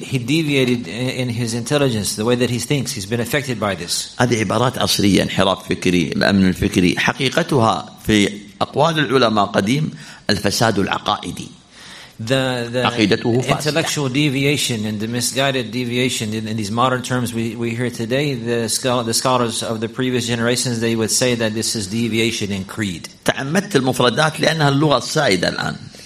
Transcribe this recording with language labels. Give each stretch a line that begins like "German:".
English: He deviated in his intelligence, the way that he thinks. He's been affected by this.
Arabic: هذه عبارات عصرية, انحراف فكري, الأمن الفكري. حقيقتها في أقوال العلماء قديم الفساد العقائدي.
English: The intellectual deviation and the misguided deviation in these modern terms we hear today, the scholars of the previous generations, they would say that this is deviation in creed.
Arabic: تعمدت المفردات لأنها اللغة السائدة الآن.